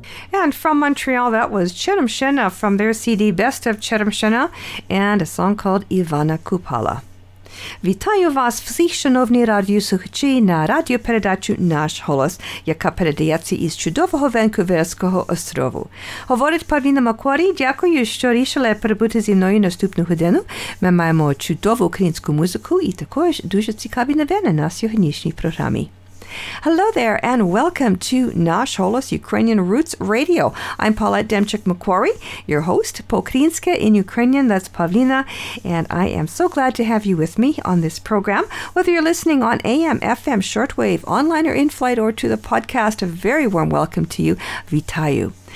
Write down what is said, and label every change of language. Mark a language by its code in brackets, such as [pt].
[en] And from Montreal, that was Chetam Shena from their CD Best of Chetam Shena and a song called Ivana Kupala. [uk] Вітаю вас, всі шановні радіослухачі, на радіопередачу «Наш голос», яка передається із чудового Ванкуверського острову. Говорить Павліна Макуарі, дякую, що рішили перебути зі мною наступну годину. Ми маємо чудову українську музику і також дуже цікаві новини на сьогоднішній програмі. [en] Hello there, and welcome to Nash Holos Ukrainian Roots Radio. I'm Paulette Demchuk-Macquarie, your host, Pokrinska in Ukrainian, that's Pavlina, and I am so glad to have you with me on this program. Whether you're listening on AM, FM, shortwave, online or in-flight, or to the podcast, a very warm welcome to you. Vitayu.